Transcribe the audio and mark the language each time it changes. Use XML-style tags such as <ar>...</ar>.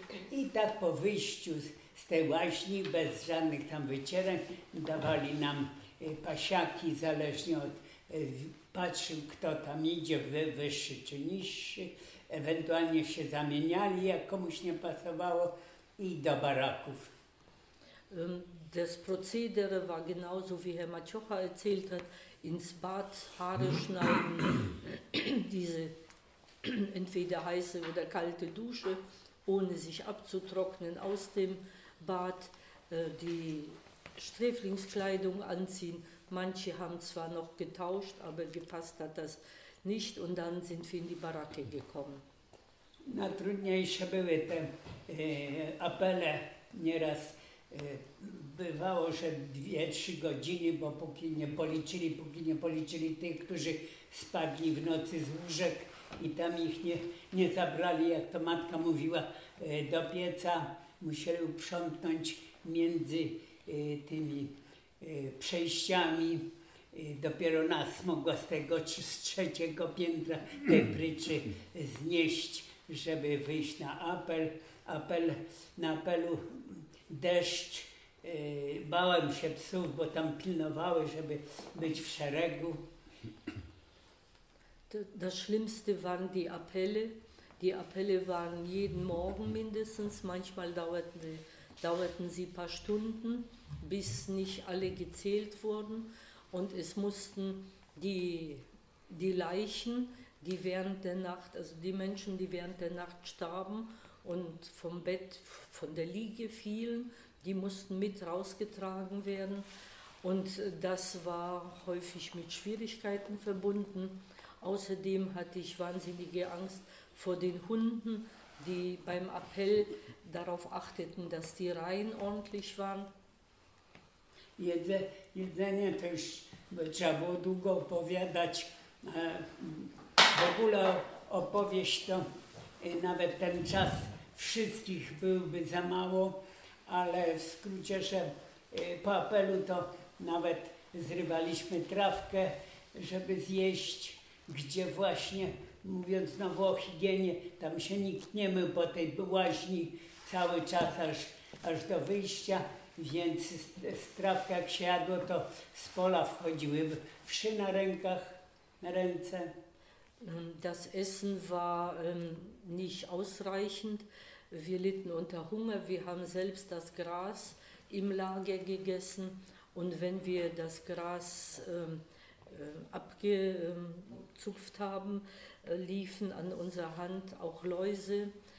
<pl>I tak po wyjściu z tej łaźni, bez żadnych tam wycierek, dawali nam pasiaki, zależnie od, patrzył kto tam idzie, wyższy czy niższy, ewentualnie się zamieniali, jak komuś nie pasowało, i do baraków.</pl> <de>Das Prozedere war genauso, wie Herr Maciocha erzählt hat, ins Bad, Haare schneiden, diese entweder heiße oder kalte Dusche, ohne sich abzutrocknen aus dem Bad, die Sträflingskleidung anziehen. Manche haben zwar noch getauscht, aber gepasst hat das nicht und dann sind wir in die Baracke gekommen.</de> <pl>Najtrudniejsze były te apele nieraz. Bywało, że 2-3 godziny, bo póki nie policzyli tych, którzy spadli w nocy z łóżek i tam ich nie zabrali, jak to matka mówiła, do pieca. Musieli uprzątnąć między tymi przejściami. Dopiero nas mogła z tego czy z trzeciego piętra te pryczy znieść, żeby wyjść na apel. Na apelu deszcz. Bałem się psów, bo tam pilnowały, żeby być w szeregu.</pl> <de>Das Schlimmste waren die Appelle. Die Appelle waren jeden Morgen mindestens. Manchmal dauerten sie ein paar Stunden, bis nicht alle gezählt wurden. Und es mussten die Leichen, die während der Nacht, also die Menschen, die während der Nacht starben und vom Bett, von der Liege fielen, die mussten mit rausgetragen werden. Und das war häufig mit Schwierigkeiten verbunden. Außerdem hatte ich wahnsinnige Angst vor den Hunden, die beim Appell darauf achteten, dass die Reihen ordentlich waren.</de> <pl>Jedzenie to już trzeba było długo opowiadać. W ogóle opowieść to nawet ten czas wszystkich byłby za mało, ale w skrócie, że po apelu to nawet zrywaliśmy trawkę, żeby zjeść, gdzie właśnie, mówiąc znowu o higienie, tam się nikt nie mył po tej łaźni cały czas aż do wyjścia, więc z trawki jak się jadło, to z pola wchodziły wszy na rękach, na ręce.</pl> <de>Das Essen war nicht ausreichend. Wir litten unter Hunger. Wir haben selbst das Gras im Lager gegessen. Und wenn wir das Gras abgezupft haben, liefen an unserer Hand auch Läuse.</de>